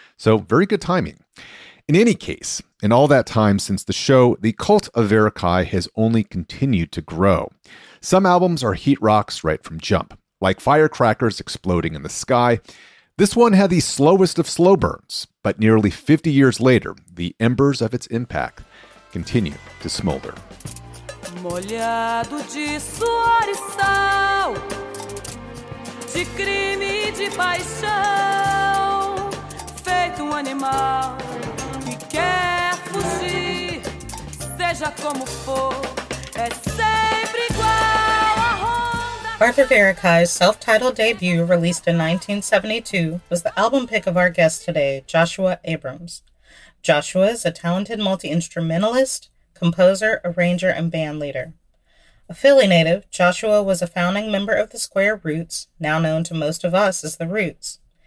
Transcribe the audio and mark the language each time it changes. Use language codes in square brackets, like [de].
[en] So, very good timing. In any case, in all that time since the show, the cult of Verikai has only continued to grow. Some albums are heat rocks right from jump, like firecrackers exploding in the sky. This one had the slowest of slow burns, but nearly 50 years later, the embers of its impact continue to smolder. [pt] Molhado de suor e sal, de crime e de paixão, feito animal que quer fugir, seja como for, é sempre igual a Honda. [en] Arthur Verikai's self-titled debut, released in 1972, was the album pick of our guest today, Joshua Abrams. Joshua is a talented multi-instrumentalist, composer, arranger, and bandleader. A Philly native, Joshua was a founding member of the Square Roots, now known to most of us as the Roots.